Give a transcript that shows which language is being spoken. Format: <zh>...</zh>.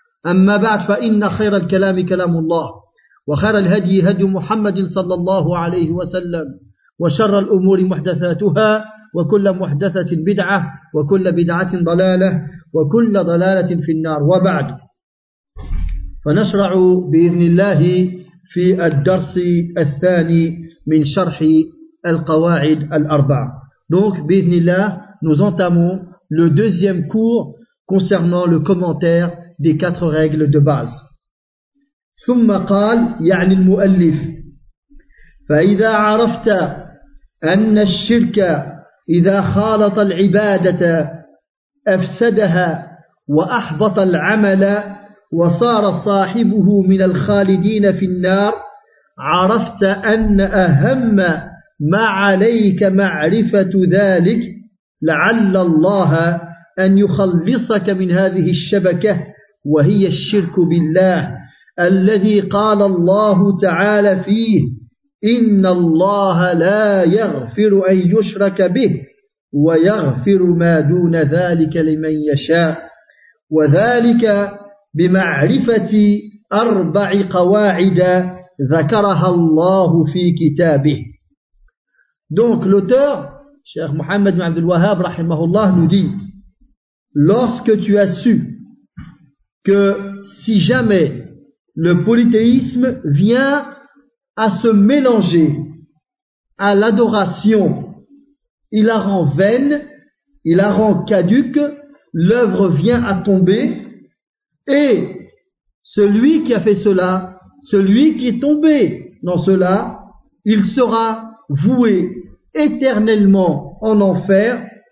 <ar>أما بعد، فإن خير الكلام كلام الله، وخير الهدي هدي محمد صلى الله عليه وسلم، وشر الأمور محدثاتها، وكل محدثة بدعة، وكل بدعة ضلالة، وكل ضلالة في النار. وبعد، فنشرع بإذن الله في الدرس الثاني من شرح القواعد الأربع. دونك بإذن الله</ar> <fr>nous entamons le deuxième cours concernant le commentaire des quatre règles de base.</fr> <ar>ثم قال يعني المؤلف فإذا عرفت أن الشرك إذا خالط العبادة أفسدها وأحبط العمل وصار صاحبه من الخالدين في النار، عرفت أن أهم ما عليك معرفة ذلك لعل الله أن يخلصك من هذه الشبكة، وهي الشرك بالله الذي قال الله تعالى فيه إن الله لا يغفر أن يشرك به ويغفر ما دون ذلك لمن يشاء، وذلك بمعرفة أربع قواعد ذكرها الله في كتابه.</ar> <fr>Donc l'auteur, Cheikh Mohamed bin Abdel Wahhab rahimahullah, nous dit: lorsque tu as su que si jamais le polythéisme vient à se mélanger à l'adoration, il la rend vaine, il la rend caduque, l'œuvre vient à tomber, et celui qui a fait cela, celui qui est tombé dans cela, il sera voué éternellement en enfer,</fr>